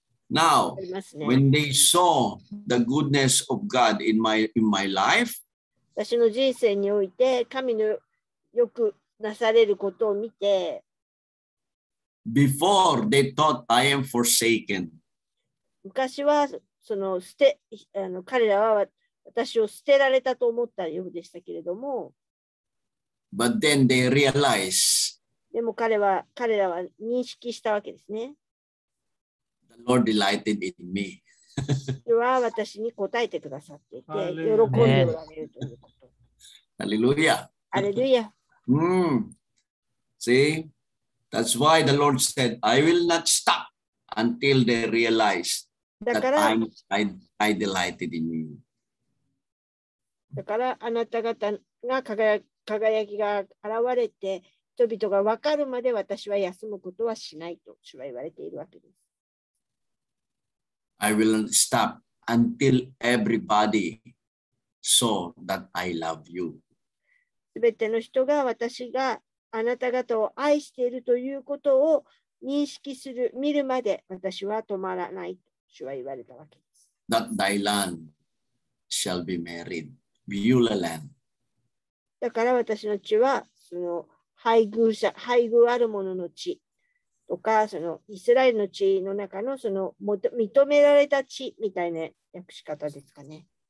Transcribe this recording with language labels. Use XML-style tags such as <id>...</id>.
<en>Now, when they saw the goodness of God in my life,</en> <ja>私の人生において神のよくなされることを見て、</ja> <en>Before they thought I am forsaken.</en> <ja>昔はその捨て、あの彼らは私を捨てられたと思ったようでしたけれども、</ja> <en>But then they realize.</en> <ja>でも彼は、彼らは認識したわけですね。</ja> <en>The Lord delighted in me.</en> <ja>主は私に応えてくださっていて、喜んでおられるということ。ハレルヤ。ハレルヤ。</ja> <en>うん。See? That's why the Lord said, I will not stop until they realize that I delighted in you.</en> <ja>だからあなた方が輝きが現れて人々が分かるまで私は休むことはしないと主は言われているわけです。</ja> <en>I will not stop until everybody saw that I love you.</en> <ja>全ての人が私があなた方を愛しているということを認識する、見るまで私は止まらないと主は言われたわけです。</ja> <en>That thy land shall be married, Beulah Land.</en> <ja>だから私の地はその配偶者、配偶ある者の地とかそのイスラエルの地の中のその認められた地みたいな訳し方ですかね。</ja>